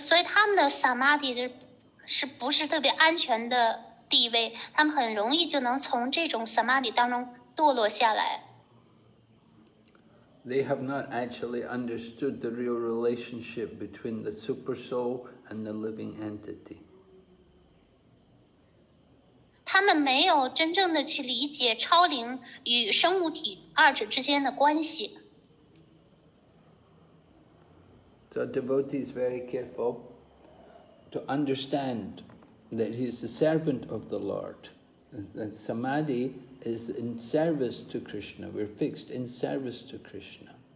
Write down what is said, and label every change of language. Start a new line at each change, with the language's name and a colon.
Chinese: 所以他们的 samadhi 是不是特别安全的地位？他们很容易就能从这种 samadhi 当中堕落下来。
English: They have not actually understood the real relationship between the super soul and the living entity.
Chinese: 他们没有真正的去理解超灵与生物体二者之间的关系。
English: So devotee is very careful to understand that he is the servant of the Lord. That samadhi is in service to Krishna. We're fixed in service to Krishna.